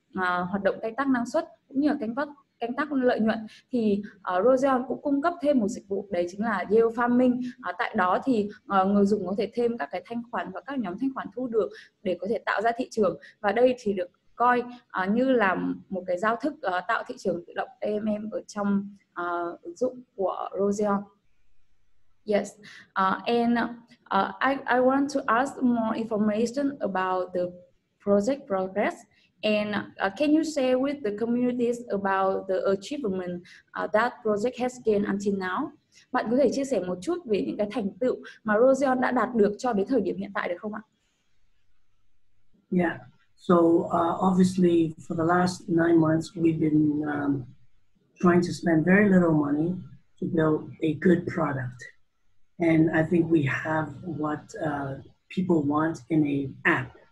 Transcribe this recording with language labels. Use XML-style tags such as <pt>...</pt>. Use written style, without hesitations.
<vi>hoạt động canh tác năng suất cũng như là canh tác lợi nhuận, thì Roseon cũng cung cấp thêm một dịch vụ, đấy chính là Yield Farming. Tại đó thì người dùng có thể thêm các cái thanh khoản và các nhóm thanh khoản thu được để có thể tạo ra thị trường, và đây thì được coi như là một cái giao thức tạo thị trường tự động AMM ở trong ứng dụng của Roseon.</vi> <en>Yes, and I want to ask more information about the project progress. And can you share with the communities about the achievement that project has gained until now?</en> <vi>Bạn có thể chia sẻ một chút về những cái thành tựu mà Roseon đã đạt được cho đến thời điểm hiện tại được không ạ?</vi> <en>Yeah, so obviously for the last 9 months we've been trying to spend very little money to build a good product. And I think we have what people want in an app.</en>